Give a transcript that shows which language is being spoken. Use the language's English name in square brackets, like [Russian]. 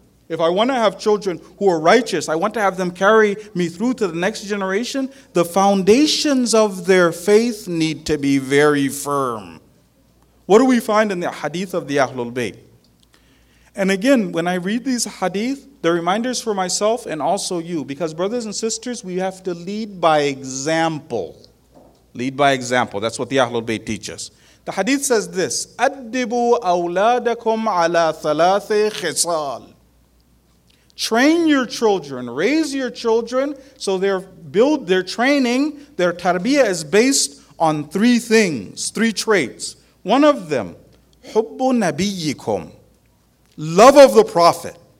[English] If I want to have children who are righteous, I want to have them carry me through to the next generation, the foundations of their faith need to be very firm. What do we find in the hadith of the Ahlul Bayt? And again, when I read these hadith, they're reminders for myself and also you. Because brothers and sisters, we have to lead by example. Lead by example. That's what the Ahlul Bayt teaches. [Arabic] The hadith says this, أَدِّبُوا أَوْلَادَكُمْ عَلَى ثَلَاثِ خِصَالٍ. [English] Train your children, raise your children, so their training, their tarbiyah is based on three things, three traits. One of them, hubbu nabiyyikum, love of the Prophet.